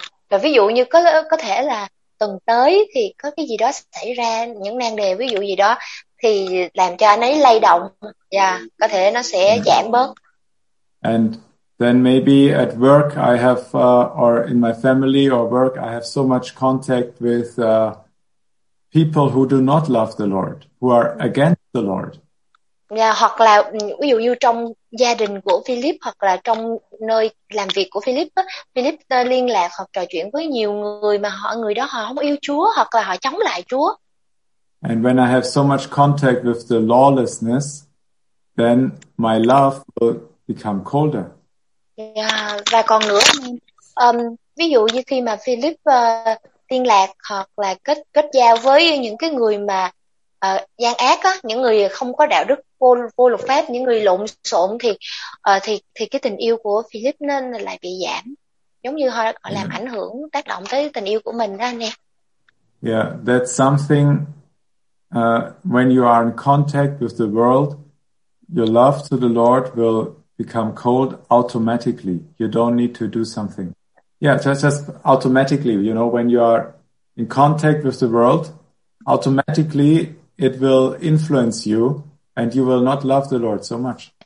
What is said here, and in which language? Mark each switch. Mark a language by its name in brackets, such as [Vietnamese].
[Vietnamese] Và ví dụ như có thể là tuần tới thì có cái gì đó xảy ra, những nan đề ví dụ gì đó thì làm cho anh ấy lay động. Yeah, có thể nó sẽ giảm bớt. [English] And then maybe at work I have or in my family or work I have so much contact with people who do not love the Lord, who are against the Lord. [Vietnamese] Yeah, hoặc là ví dụ như trong gia đình của Philip hoặc là trong nơi làm việc của Philip, Philip liên lạc hoặc trò chuyện với nhiều người mà người đó họ không yêu Chúa hoặc là họ chống lại Chúa. [English] And when I have so much contact with the lawlessness, then my love will become colder. [Vietnamese] Yeah, và còn nữa, ví dụ như khi mà Philip liên lạc hoặc là kết giao với những cái người mà gian ác á, những người không có đạo đức, vô luật pháp, những người lộn xộn thì cái tình yêu của Philip nên lại bị giảm, giống như họ làm ảnh hưởng, tác động tới tình yêu của mình đó anh em. [English] Yeah, that's something. When you are in contact with the world, your love to the Lord will become cold automatically. You don't need to do something. Yeah, just automatically. You know, when you are in contact with the world, automatically it will influence you and you will not love the Lord so much.